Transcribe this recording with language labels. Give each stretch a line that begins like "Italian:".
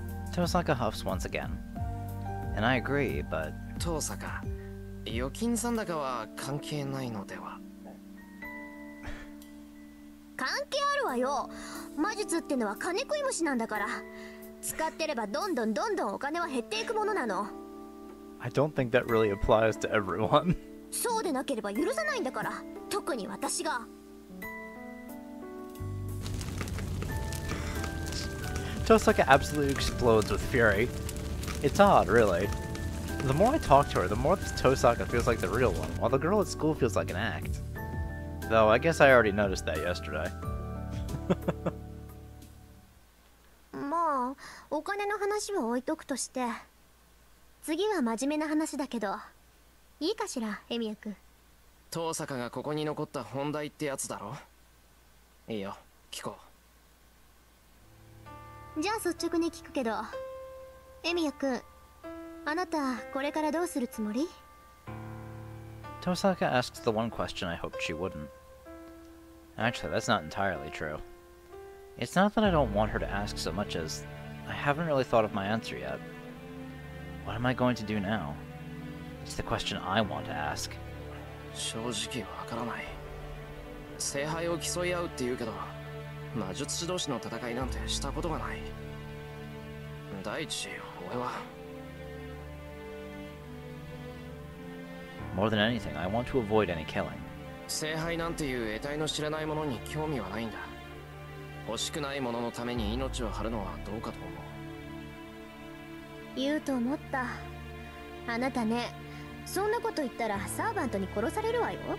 English: トーサカ huffs once again. And I agree, but…
Japanese: トーサカ、預金残高は関係ないのでは。関係あるわよ。魔術ってのは金食い虫なんだから、使ってればどんどんどんどんお金は減っていくものなの。
English: I don't think that really applies to everyone.
Japanese: そうでなければ許さないんだから、特に私が。
English: Tosaka absolutely explodes with fury. It's odd, really. The more I talk to her, the more this Tosaka feels like the real one, while the girl at school feels like an act. Though, I guess I already noticed that yesterday.
Japanese: まあ、お金の話は置いとくとして、次は真面目な話だけど、いいかしら、エミヤ君。遠坂がここに残った本題ってやつだろ。いいよ、聞こう。じゃあ率直に聞くけど、エミヤ君、あなたこれからどうするつもり？
English: Tosaka asks the one question I hoped she wouldn't. Actually, that's not entirely true. It's not that I don't want her to ask so much as I haven't really thought of my answer yet. What am I going to do now? It's the question I want to ask.
Japanese: 正直わからない。聖杯を競い合うって言うけど、魔術師同士の戦いなんてしたことがない。第一、俺は。
English: More than anything, I want to avoid any killing.
Japanese: 聖杯なんていう得体の知れないものに興味はないんだ。欲しくないもののために命を張るのはどうかと思う。言うと思った。あなたね、そんなこと言ったらサーヴァントに殺されるわよ。